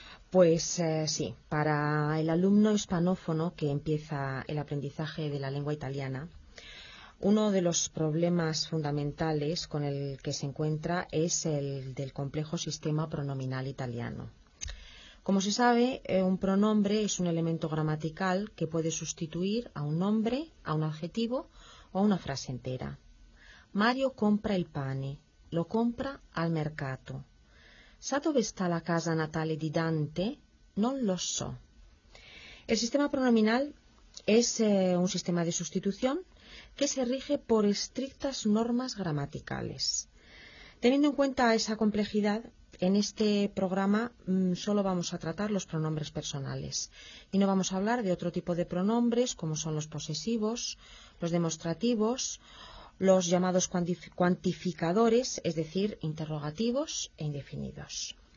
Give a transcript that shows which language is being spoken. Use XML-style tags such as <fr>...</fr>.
<es>Pues sí, para el alumno hispanófono que empieza el aprendizaje de la lengua italiana, uno de los problemas fundamentales con el que se encuentra es el del complejo sistema pronominal italiano. Como se sabe, un pronombre es un elemento gramatical que puede sustituir a un nombre, a un adjetivo o a una frase entera.</es> <it>Mario compra il pane, lo compra al mercato. ¿Sa dove sta la casa natale di Dante? Non lo so.</it> <es>El sistema pronominal es un sistema de sustitución que se rige por estrictas normas gramaticales. Teniendo en cuenta esa complejidad, en este programa solo vamos a tratar los pronombres personales y no vamos a hablar de otro tipo de pronombres como son los posesivos, los demostrativos, los llamados cuantificadores, es decir, interrogativos e indefinidos.</es>